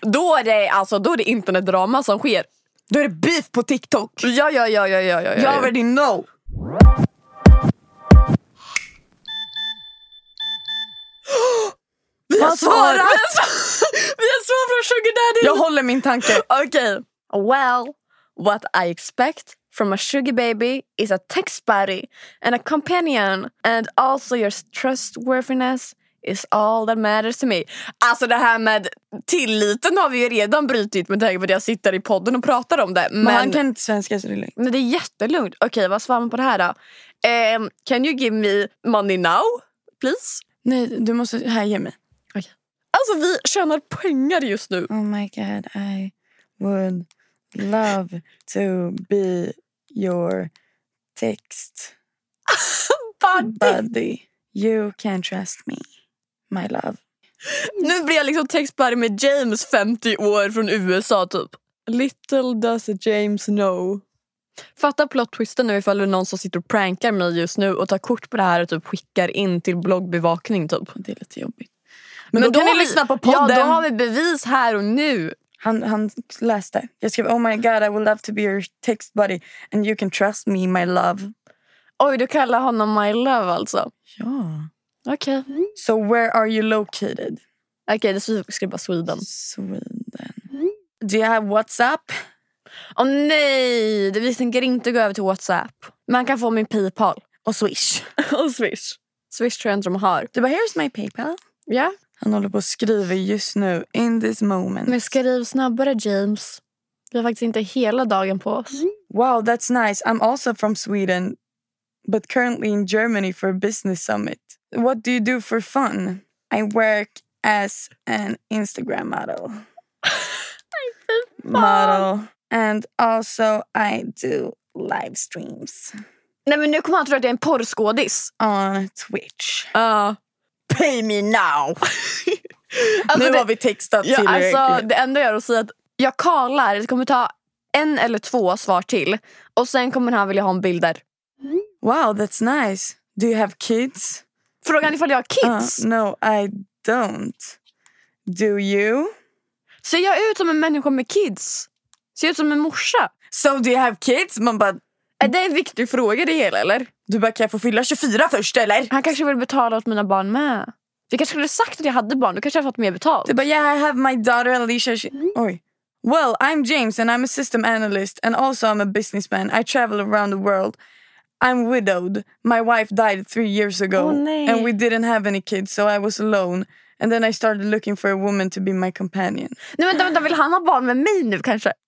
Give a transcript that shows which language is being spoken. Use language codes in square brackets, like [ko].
[sv] Då är det, alltså, då är det internetdrama som sker. Då är det beef på TikTok. Ja. [en] You already know. [sv] Vi har svarat. Vi har svarat från Sugar Daddy. Jag håller min tanke. Okej. [en] Well, what I expect from a sugar baby is a text buddy and a companion, and also your trustworthiness is all that matters to me. [sv] Alltså det här med tilliten har vi ju redan brytit med tanke på att jag sitter i podden och pratar om det. Men han kan inte svenska så det är lugnt. Men det är jättelugnt. Okej, vad svarar man på det här då? [en] Can you give me money now, please? [sv] Nej, du måste... Här, ge mig. Okej. Okay. Alltså vi tjänar pengar just nu. [en] Oh my god, I would love to be your text buddy. You can trust me, my love. [sv] Nu blir jag liksom textbuddy med James, 50 år, från USA typ. [en] Little does James know. [sv] Fatta plottwisten nu ifall det är någon som sitter och prankar mig just nu och tar kort på det här och typ skickar in till bloggbevakning typ. Det är lite jobbigt. Men då kan ni lyssna på podden. Ja, då har vi bevis här och nu. Han läste. Jag skrev, [en] oh my god, I would love to be your text buddy and you can trust me, my love. [sv] Oj, du kallar honom [en] my love [sv] alltså. Ja. Okej. [en] Okay. So where are you located? [sv] Okej, det skrev bara Sweden. [en] Sweden. Do you have WhatsApp? [sv] Åh nej, vi tänker inte gå över till WhatsApp. Man kan få min PayPal. Och Swish. Och Swish. Swish tror jag inte de har. Du bara, [en] here's my PayPal. [sv] Ja. Yeah. Han håller på att skriva just nu, [en] in this moment. [sv] Men skriv snabbare, James. Vi har faktiskt inte hela dagen på oss. [en] Wow, that's nice. I'm also from Sweden, but currently in Germany for a business summit. What do you do for fun? I work as an Instagram model. Model. And also I do live streams. [sv] Nej, men nu kommer han tro att jag är en porrskådis. [en] On Twitch. [sv] Ja. [en] Pay me now. [sv] Alltså, nu har vi textat ja, till alltså, det enda jag gör att säga att jag kallar. Det kommer ta en eller två svar till. Och sen kommer han vilja ha en bild där. [en] Wow, that's nice. Do you have kids? [sv] Frågan ifall jag har kids. [en] No, I don't. Do you? [sv] Ser jag ut som en människa med kids? Ser jag ut som en morsa? [en] So do you have kids? [sv] Man bara... Är det en viktig fråga det hela, eller? Du bara, kan jag få fylla 24 först, eller? Han kanske vill betala åt mina barn med. Vi kanske skulle ha sagt att jag hade barn. Du kanske har fått mer betalt. Du bara, [en] yeah, I have my daughter Alicia. Oj. Well, I'm James and I'm a system analyst. And also I'm a businessman. I travel around the world. I'm widowed. My wife died 3 years ago. [sv] Oh, nej. [en] And we didn't have any kids, so I was alone. And then I started looking for a woman to be my companion. [sv] Nej, men vänta, vill han ha barn med mig nu, kanske?